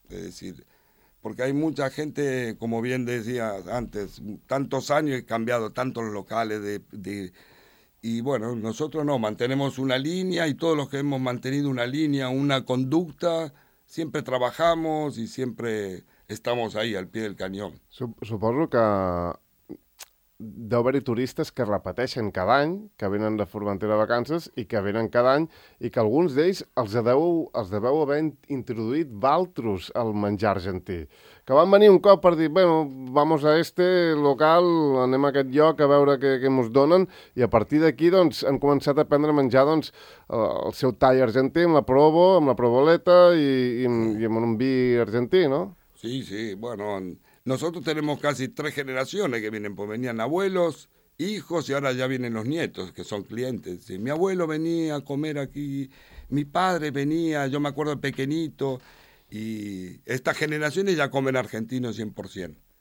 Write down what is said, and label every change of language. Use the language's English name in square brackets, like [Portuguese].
[Spanish] Es decir, porque hay mucha gente, como bien decías antes, tantos años he cambiado tantos locales de y bueno, nosotros no, mantenemos una línea y todos los que hemos mantenido una línea, una conducta, siempre trabajamos y siempre estamos ahí, al pie del cañón. [Catalan] Suposo que deu haver-hi turistes que repeteixen cada any, que venen de Formentera a vacances i que venen cada any i que alguns d'ells els deveu haver introduït valtros al menjar argentí. Que van venir un cop per dir, [Spanish] bueno, vamos a este local, [Catalan] anem a aquest lloc a veure què mos donen i a partir d'aquí doncs, han començat a aprendre a menjar doncs, el seu tall argentí amb la provo, amb la provoleta i amb un vi argentí, no? [Spanish] Sí, sí, bueno... Nosotros tenemos casi 3 generaciones que vienen, pues venían abuelos, hijos y ahora ya vienen los nietos, que son clientes. Y mi abuelo venía a comer aquí, mi padre venía, yo me acuerdo pequeñito, y estas generaciones ya comen argentino 100%.